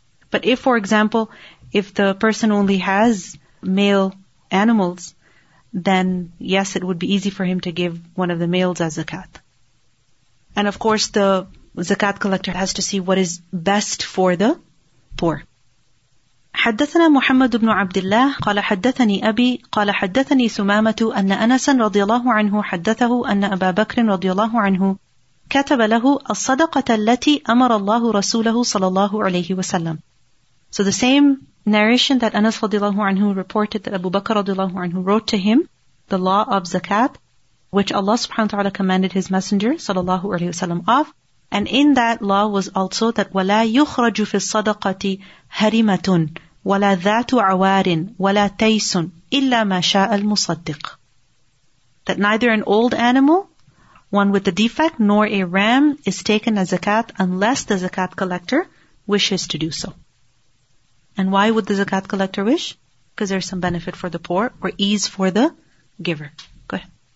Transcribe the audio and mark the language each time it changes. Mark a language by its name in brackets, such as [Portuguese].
[English] But if, for example, if the person only has male animals, then yes, it would be easy for him to give one of the males as zakat. And of course, the zakat collector has to see what is best for the poor. [Arabic] حدثنا محمد بن عبد الله قال حدثني أبي قال حدثني سمامة أن أنسا رضي الله عنه حدثه أن أبا بكر رضي الله عنه كتب له الصدقة التي أمر الله رسوله صلى الله عليه وسلم. [English] So the same narration that Anas radiallahu anhu reported that Abu Bakr radiallahu anhu wrote to him, the law of zakat, which Allah subhanahu wa ta'ala commanded his messenger sallallahu alayhi wasallam of. And in that law was also that [Arabic] وَلَا يُخْرَجُ فِي الصَّدَقَةِ هَرِمَةٌ ولا ذات عوار ولا تيس إلا ما شاء المصدق. [English] That neither an old animal, one with a defect, nor a ram is taken as zakat unless the zakat collector wishes to do so. And why would the zakat collector wish? Because there's some benefit for the poor or ease for the giver. Go ahead.